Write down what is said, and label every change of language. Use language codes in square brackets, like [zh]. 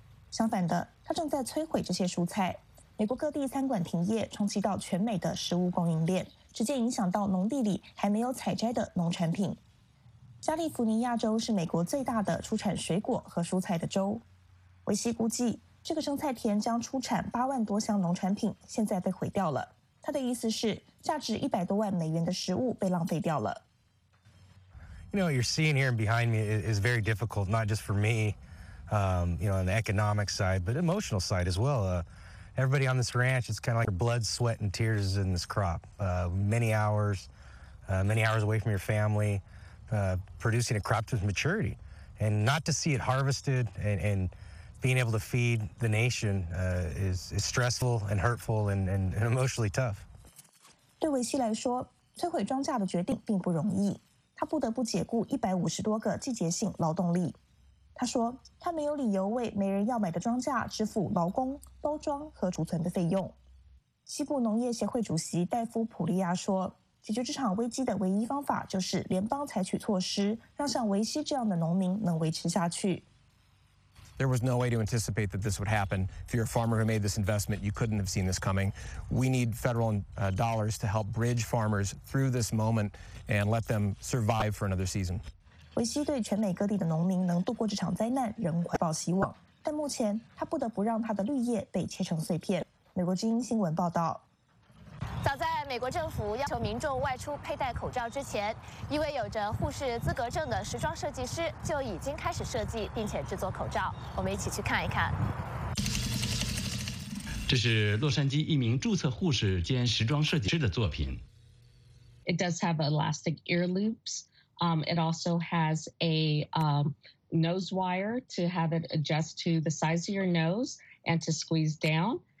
[zh] 相反的，它正在摧毁这些蔬菜。美国各地餐馆停业，冲击到全美的食物供应链，直接影响到农地里还没有采摘的农产品。加利福尼亚州是美国最大的出产水果和蔬菜的州。维西估计，这个生菜田将出产80,000多箱农产品，现在被毁掉了。他的意思是，价值100多万美元的食物被浪费掉了。 [en] You know, you're seeing here behind me is very difficult, not just for me, you know, on the economic side, but emotional side as well. Everybody on this ranch, it's kind of like your blood, sweat, and tears in this crop. Many hours away from your family, producing a crop to maturity, and not to see it harvested and being able to feed the nation is stressful and hurtful and emotionally tough. [zh] 对维西来说，摧毁庄稼的决定并不容易。他不得不解雇150多个季节性劳动力。他说，他没有理由为没人要买的庄稼支付劳工、包装和储存的费用。西部农业协会主席戴夫·普利亚说，解决这场危机的唯一方法就是联邦采取措施，让像维西这样的农民能维持下去。 [en] There was no way to anticipate that this would happen. If you're a farmer who made this investment, you couldn't have seen this coming. We need federal dollars to help bridge farmers through this moment and let them survive for another season. [zh] 维西对全美各地的农民能度过这场灾难仍怀抱希望，但目前他不得不让他的绿叶被切成碎片。美国之音新闻报道。早在美国政府要求民众外出佩戴口罩之前，一位有着护士资格证的时装设计师就已经开始设计并且制作口罩，我们一起去看一看。这是洛杉矶一名注册护士兼时装设计师的作品。 [en] It does have elastic ear loops. It also has a nose wire to have it adjust to the size of your nose and to squeeze down.